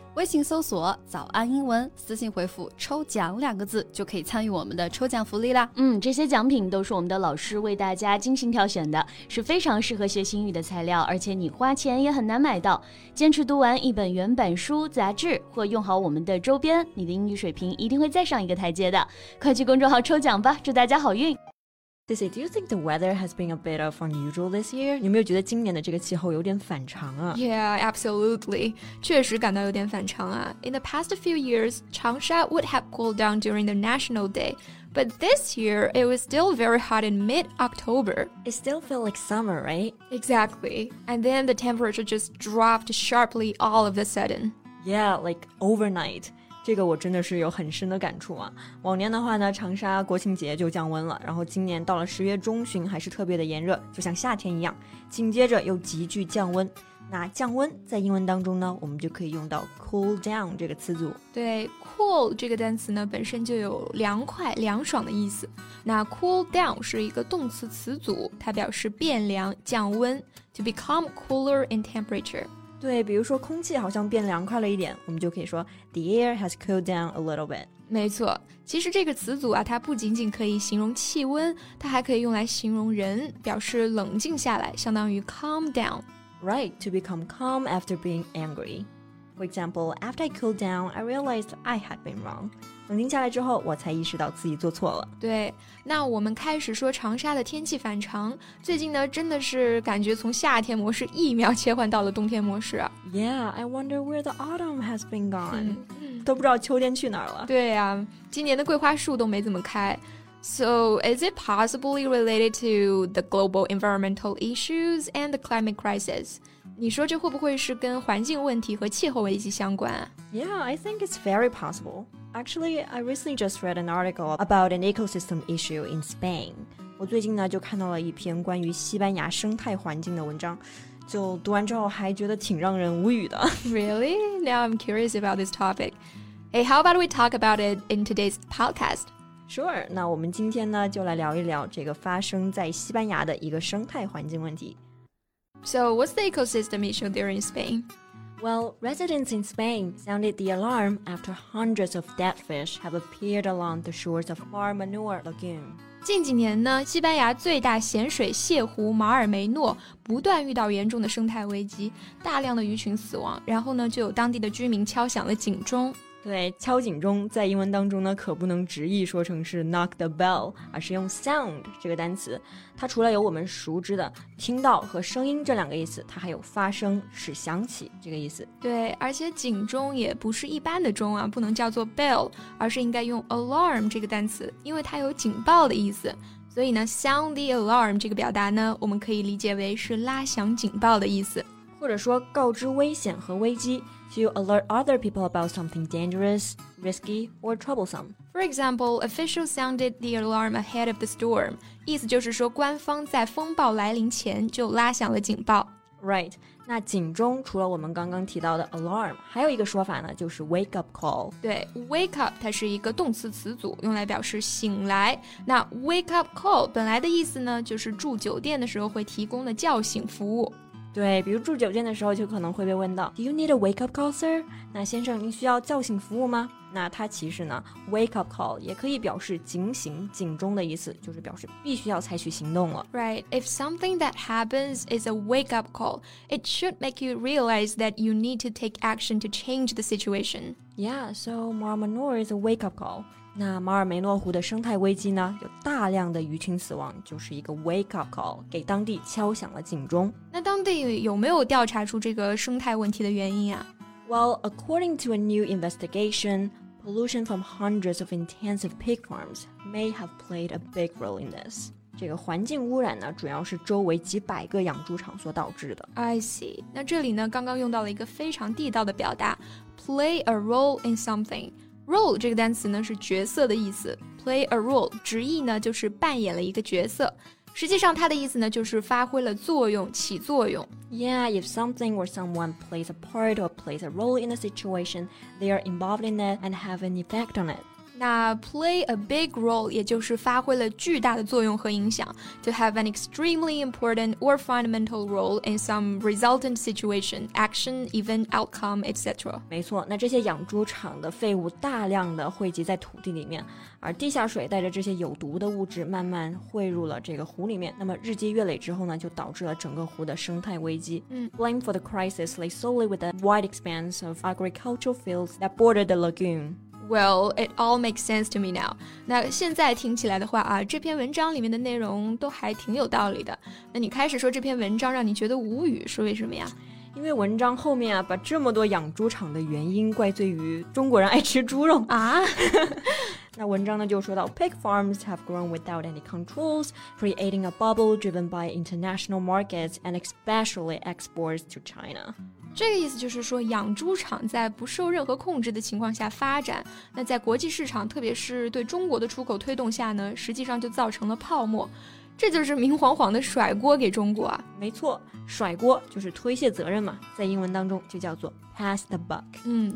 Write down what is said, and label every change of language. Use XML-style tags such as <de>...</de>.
<zh>微信搜索早安英文，私信回复抽奖两个字就可以参与我们的抽奖福利啦。嗯，这些奖品都是我们的老师为大家精心挑选的，是非常适合学英语的材料，而且你花钱也很难买到。坚持读完一本原版书、杂志或用好我们的周边，你的英语水平一定会再上一个台阶的。快去公众号抽奖吧，祝大家好运。</zh> <en>Daisy, do you think the weather has been a bit of unusual this year?</en> <zh>你有没有觉得今年的这个气候有点反常啊?</zh> <en>Yeah, absolutely.</en> <zh>确实感到有点反常啊。</zh> <en>In the past few years, Changsha would have cooled down during the National Day, but this year, it was still very hot in mid-October. It still felt like summer, right? Exactly. And then the temperature just dropped sharply all of a sudden. Yeah, like overnight.</en> <zh>这个我真的是有很深的感触啊。往年的话呢，长沙国庆节就降温了，然后今年到了十月中旬还是特别的炎热，就像夏天一样，紧接着又急剧降温。那降温在英文当中呢，我们就可以用到 cool down 这个词组。对， cool 这个单词呢本身就有凉快凉爽的意思，那 cool down 是一个动词词组，它表示变凉降温，</zh> <en>to become cooler in temperature。</en> <zh>对，比如说空气好像变凉快了一点，我们就可以说</zh> <en>The air has cooled down a little bit。</en> <zh>没错，其实这个词组啊，它不仅仅可以形容气温，它还可以用来形容人，表示冷静下来，相当于 calm down。</zh> <en>Right, to become calm after being angry. For example, after I cooled down, I realized I had been wrong.</en> <zh>冷静下来之后，我才意识到自己做错了。对，那我们开始说长沙的天气反常，最近呢，真的是感觉从夏天模式一秒切换到了冬天模式。</zh> <en>Yeah, I wonder where the autumn has been gone.</en> <zh>都不知道秋天去哪儿了。对呀，今年的桂花树都没怎么开。</zh> <en>So, is it possibly related to the global environmental issues and the climate crisis?</en> <zh>你说这会不会是跟环境问题和气候危机相关？</zh> <en>Yeah, I think it's very possible. Actually, I recently just read an article about an ecosystem issue in Spain.</en> <zh>我最近呢就看到了一篇关于西班牙生态环境的文章，就读完之后还觉得挺让人无语的。</zh> <en>Really? Now I'm curious about this topic. Hey, how about we talk about it in today's podcast?</en> <zh>Sure, 那我们今天呢就来聊一聊这个发生在西班牙的一个生态环境问题。</zh> <en>So, what's the ecosystem issue there in Spain? Well, residents in Spain sounded the alarm after hundreds of dead fish have appeared along the shores of Mar Menor Lagoon.</en> <zh>近几年呢，西班牙最大咸水泻湖马尔梅诺不断遇到严重的生态危机，大量的鱼群死亡，然后呢就有当地的居民敲响了警钟。对，敲警钟在英文当中呢可不能直译说成是 knock the bell, 而是用 sound 这个单词。它除了有我们熟知的听到和声音这两个意思，它还有发声、使响起这个意思。对，而且警钟也不是一般的钟啊，不能叫做 bell, 而是应该用 alarm 这个单词，因为它有警报的意思。所以呢 sound the alarm 这个表达呢，我们可以理解为是拉响警报的意思。或者说告知危险和危机，</zh> <en>to alert other people about something dangerous, risky, or troublesome. For example, officials sounded the alarm ahead of the storm.</en> <zh>意思就是说官方在风暴来临前就拉响了警报。 Right, 那警钟除了我们刚刚提到的 alarm, 还有一个说法呢就是 wake up call。对， wake up 它是一个动词词组，用来表示醒来。那 wake up call 本来的意思呢就是住酒店的时候会提供的叫醒服务。对，比如住酒店的时候就可能会被问到</zh> <en>Do you need a wake up call, sir?</en> <zh>那先生您需要叫醒服务吗？那它其实呢 wake up call 也可以表示警醒警钟的意思，就是表示必须要采取行动了。</zh> <en>Right, if something that happens is a wake up call, it should make you realize that you need to take action to change the situation. Yeah, so Mar Menor is a wake up call.</en> <zh>那马尔梅诺湖的生态危机呢，有大量的鱼群死亡，就是一个 wake up call, 给当地敲响了警钟。那当地有没有调查出这个生态问题的原因啊？</zh> <en>Well, according to a new investigation, pollution from hundreds of intensive pig farms may have played a big role in this.</en> <zh>这个环境污染呢，主要是周围几百个养猪场所导致的。</zh> <en>I see.</en> <zh>那这里呢，刚刚用到了一个非常地道的表达 play a role in something. Role 这个单词呢，是角色的意思。Play a role, 直译呢，就是扮演了一个角色。实际上它的意思呢就是发挥了作用，起作用。</zh> <en>Yeah, if something or someone plays a part or plays a role in a situation, they are involved in it and have an effect on it. 那 play a big role</en> <zh>也就是发挥了巨大的作用和影响</zh> <en>to have an extremely important or fundamental role in some resultant situation, action, event, outcome, etc.</en> <zh>没错，那这些养猪场的废物大量的汇集在土地里面，而地下水带着这些有毒的物质慢慢汇入了这个湖里面，那么日积月累之后呢，就导致了整个湖的生态危机。</zh> <en>Blame for the crisis lay solely with the wide expanse of agricultural fields that bordered the lagoon. Well, it all makes sense to me now.</en> <zh>那现在听起来的话啊，这篇文章里面的内容都还挺有道理的。那你开始说这篇文章让你觉得无语，是为什么呀？因为文章后面啊，把这么多养猪场的原因怪罪于中国人爱吃猪肉啊。那文章呢就说到</zh> <en>，Pig farms have grown without any controls, creating a bubble driven by international markets and especially exports to China.</en> <zh>这个意思就是说养猪场在不受任何控制的情况下发展，那在国际市场特别是对中国的出口推动下呢，实际上就造成了泡沫，这就是明晃晃的甩锅给中国啊。没错，甩锅就是推卸责任嘛，在英文当中就叫做 pass the buck。</zh>